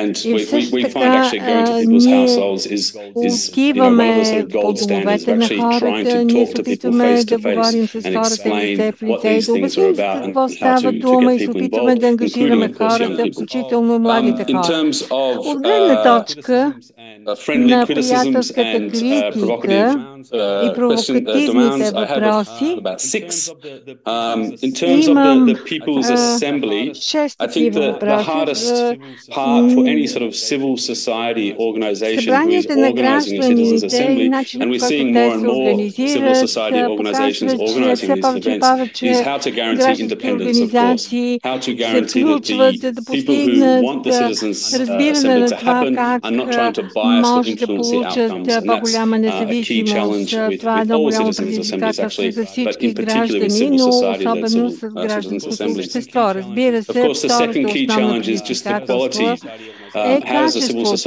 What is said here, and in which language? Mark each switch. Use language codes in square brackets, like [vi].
[bg] И също така ние отиваме по домовете на хората, ние се опитваме да говорим с хората лице в лице и да обясним за какво става дума и се опитваме да ангажираме хората, включително младите хора. От гледна точка на приятелската критика и провокативните въпроси, [en] about six, in terms of the People's Assembly, I think the hardest part for any sort of civil society organization who is organizing the Citizens Assembly, and we're seeing more and more civil society organizations organizing these events, is how to guarantee independence, of course, how to guarantee that the people who want the Citizens Assembly to happen are not trying to bias or influence the outcomes, and that's a key challenge with all the Citizens Assemblies, actually. [bg] За всички граждани, но особено с гражданското общество. Разбира се, втората основна предизвикателство е качеството.